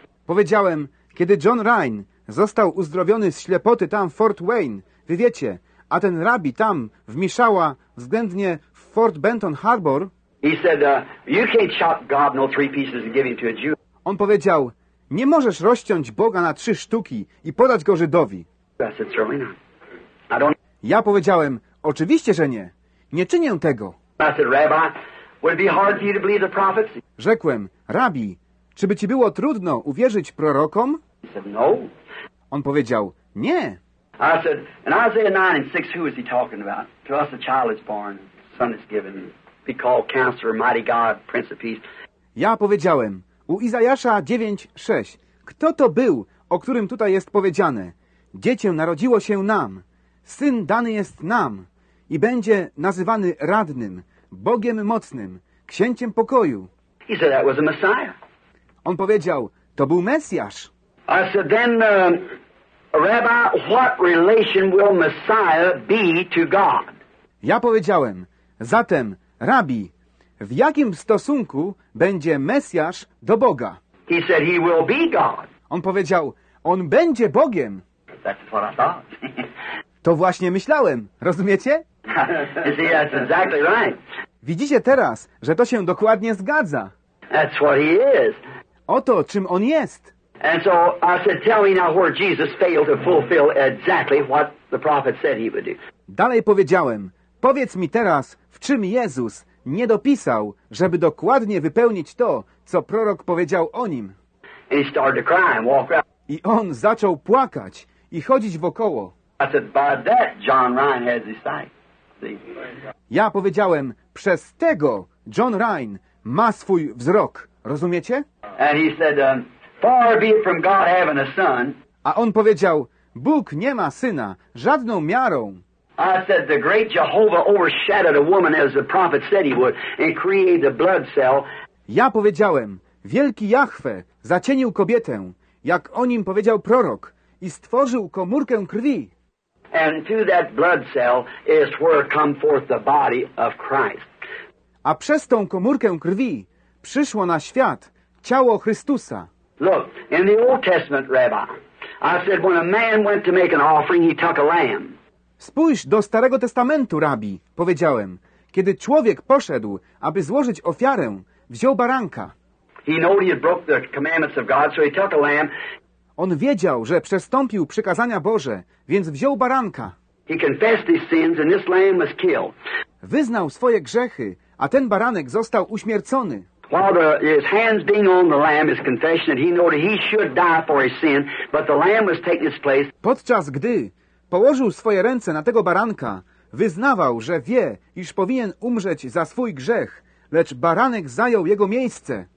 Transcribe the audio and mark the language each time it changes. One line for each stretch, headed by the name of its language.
Polish: Powiedziałem, kiedy John Ryan został uzdrowiony z ślepoty tam w Fort Wayne, wy wiecie, a ten rabbi tam w Mishawa względnie w Fort Benton Harbor.
English: He said, you can't chop God no three pieces and give him to a Jew.
Polish: On powiedział, nie możesz rozciąć Boga na trzy sztuki i podać go Żydowi.
English: I said, certainly not. I don't.
Polish: Ja powiedziałem, oczywiście, że nie. Nie czynię tego.
English: I said, Rabbi, Would it be hard for you to believe the prophets?
Polish: Rzekłem, rabi, czy by ci było trudno uwierzyć prorokom?
English: He said, no.
Polish: On powiedział, nie.
English: I said, in Isaiah 9 and 6, who is he talking about? To us a child is born, son is given. Be called counselor, mighty God, prince of peace.
Polish: Ja powiedziałem, u Izajasza 9:6, kto to był, o którym tutaj jest powiedziane? Dziecię narodziło się nam, syn dany jest nam i będzie nazywany radnym, Bogiem mocnym, księciem pokoju.
English: He said that was a Messiah.
Polish: On powiedział, to był Mesjasz.
English: I said, then, Rabbi, what relation will Messiah be to God?
Polish: Ja powiedziałem, zatem, rabi, w jakim stosunku będzie Mesjasz do Boga?
English: He said he will be God.
Polish: On powiedział, on będzie Bogiem.
English: That's what I thought.
Polish: To właśnie myślałem, rozumiecie?
English: You see, that's exactly right.
Polish: Widzicie teraz, że to się dokładnie zgadza.
English: That's what he is.
Polish: Oto czym on jest.
English: And so I said, tell me now where Jesus failed to fulfill exactly what the prophet said he would do.
Polish: Dalej powiedziałem, powiedz mi teraz, w czym Jezus nie dopisał, żeby dokładnie wypełnić to, co prorok powiedział o nim.
English: And he started to cry and walk around.
Polish: I on zaczął płakać i chodzić wokoło.
English: I said, by that John Ryan has his sight.
Polish: Ja powiedziałem, przez tego John Ryan ma swój wzrok. Rozumiecie?
English: And he said, far be it from God having a son.
Polish: A on powiedział, Bóg nie ma syna, żadną miarą.
English: I said, the great Jehovah overshadowed a woman as the prophet said he would and created a blood cell.
Polish: Ja powiedziałem, wielki Jahwe zacienił kobietę, jak o nim powiedział prorok, i stworzył komórkę krwi.
English: And to that blood cell is where come forth the body of Christ.
Polish: A przez tą komórkę krwi przyszło na świat ciało Chrystusa.
English: Look, in the Old Testament, Rabbi, I said when a man went to make an offering, he took a lamb.
Polish: Spójrz do Starego Testamentu, rabi, powiedziałem. Kiedy człowiek poszedł, aby złożyć ofiarę, wziął baranka.
English: He knew he had broke the commandments of God, so he took a lamb.
Polish: On wiedział, że przestąpił przykazania Boże, więc wziął baranka.
English: He confessed his sins and this lamb was killed.
Polish: Wyznał swoje grzechy, a ten baranek został uśmiercony.
English: While his hands being on the lamb, his confession, he knew that he should die for his sin, but the lamb was taking his place.
Polish: Podczas gdy położył swoje ręce na tego baranka, wyznawał, że wie, iż powinien umrzeć za swój grzech, lecz baranek zajął jego miejsce.